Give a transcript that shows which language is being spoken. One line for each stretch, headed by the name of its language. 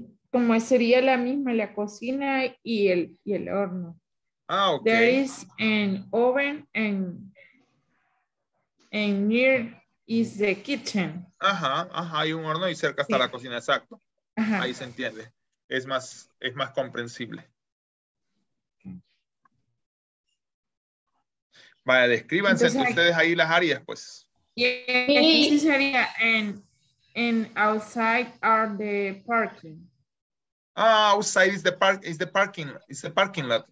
Spanish: Como sería la misma, la cocina y el horno.
English: Ah, okay. There is an oven and near is the kitchen.
Spanish: Ajá, hay un horno y cerca está la cocina, exacto. Ajá. Ahí se entiende. Es más comprensible. Vaya, descríbanse entonces ustedes ahí las áreas, pues.
English: Yeah, this area and outside are the parking. Ah, outside is the park, is the parking lot.